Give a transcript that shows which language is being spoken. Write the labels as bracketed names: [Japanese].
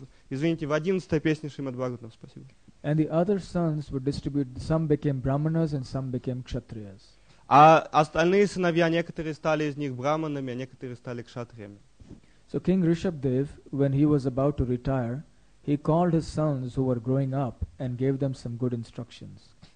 [Russian] Извините, в 11-й песне Шримад Бхагаватам, спасибо. [English] And the other sons were distributed, some became brahmanas and some became kshatriyas. [Russian] А остальные сыновья, некоторые стали из них браманами, а некоторые стали кшатриями. [English] So King Rishabdev, when he was about to retire, he called his sons who were growing up and gave them some good instructions.